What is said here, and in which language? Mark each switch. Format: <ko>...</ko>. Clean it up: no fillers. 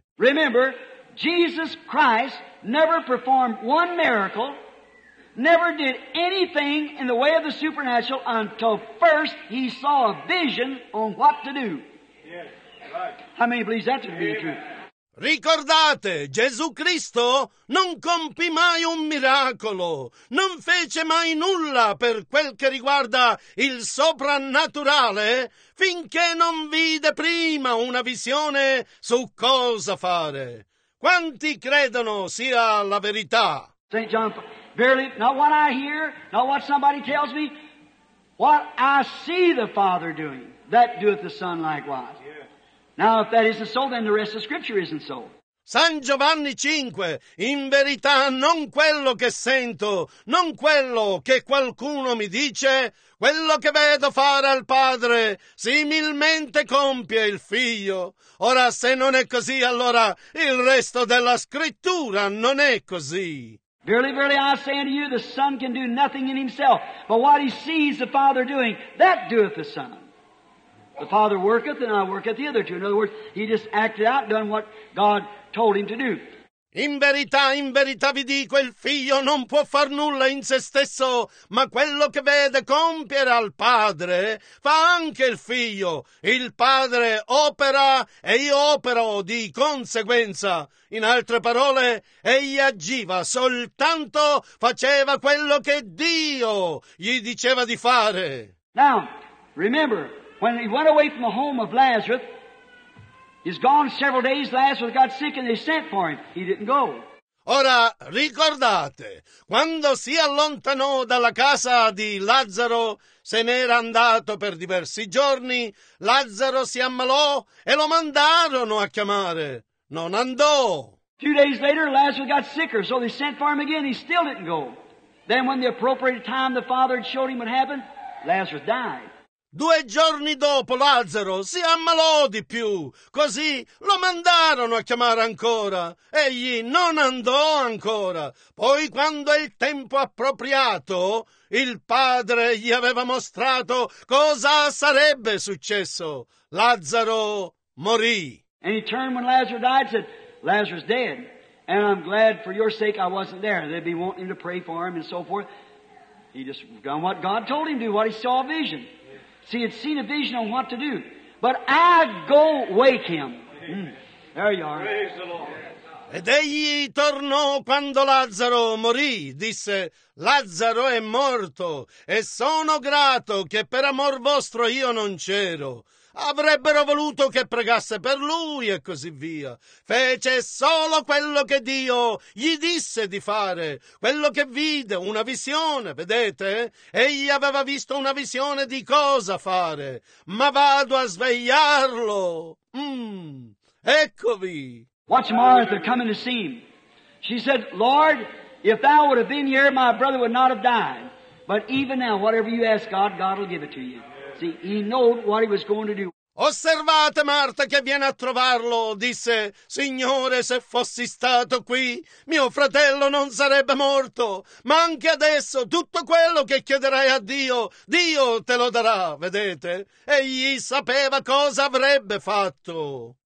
<en>Remember, Jesus Christ never performed one miracle, never did anything in the way of the supernatural until first he saw a vision on what to do. How many believe that to be the truth?</en> <it>Ricordate, Gesù Cristo non compì mai un miracolo, non fece mai nulla per quel che riguarda il soprannaturale, finché non vide prima una visione su cosa fare. Quanti credono sia la verità?</it> <en>St. John, verily, not what I hear, not what somebody tells me, what I see the Father doing, that doeth the Son likewise. Yeah. Now, if that isn't so, then the rest of Scripture isn't so.</en> <it>San Giovanni 5, in verità non quello che sento, non quello che qualcuno mi dice, quello che vedo fare al Padre, similmente compie il Figlio. Ora, se non è così, allora il resto della Scrittura non è così.</it> <en>Verily, verily, I say unto you, the Son can do nothing in himself, but what he sees the Father doing, that doeth the Son. The Father worketh, and I worketh the other two. In other words, he just acted out, done what God told him to do.</en> <it>In verità vi dico, il Figlio non può far nulla in se stesso, ma quello che vede compiere al Padre, fa anche il Figlio. Il Padre opera e io opero di conseguenza. In altre parole, egli agiva, soltanto faceva quello che Dio gli diceva di fare.</it> <en>Now, remember, when he went away from the home of Lazarus, he's gone several days, Lazarus got sick and they sent for him. He didn't go.</en> <it>Ora, ricordate, quando si allontanò dalla casa di Lazzaro, se n'era andato per diversi giorni, Lazzaro si ammalò e lo mandarono a chiamare. Non andò.</it> <en>Two days later, Lazarus got sicker, so they sent for him again. He still didn't go. Then when the appropriate time the Father had showed him what happened, Lazarus died.</en> <it>Due giorni dopo Lazzaro si ammalò di più, così lo mandarono a chiamare ancora. Egli non andò ancora. Poi, quando è il tempo appropriato, il Padre gli aveva mostrato cosa sarebbe successo. Lazzaro morì.</it> <en>And he turned when Lazarus died and said, Lazarus dead. And I'm glad for your sake I wasn't there. They'd be wanting him to pray for him and so forth. He just done what God told him to do, what he saw a vision. See, he'd seen a vision on what to do. But I go wake him. There you are. Praise the Lord.</en> <it>Ed egli tornò quando Lazzaro morì. Disse, Lazzaro è morto e sono grato che per amor vostro io non c'ero. Avrebbero voluto che pregasse per lui e così via. Fece solo quello che Dio gli disse di fare, quello che vide, una visione, vedete? Egli aveva visto una visione di cosa fare, ma vado a svegliarlo. Eccovi.</it> <en>Watch Martha coming to see him. She said, Lord, if thou would have been here, my brother would not have died. But even now, whatever you ask God, God will give it to you. Jesse, he knew what he was going to do.</en> <it>Osservate Marta che viene a trovarlo, disse, Signore, se fossi stato qui, mio fratello non sarebbe morto, ma anche adesso tutto quello che chiederai a Dio, Dio te lo darà, vedete? Egli sapeva cosa avrebbe fatto.</it>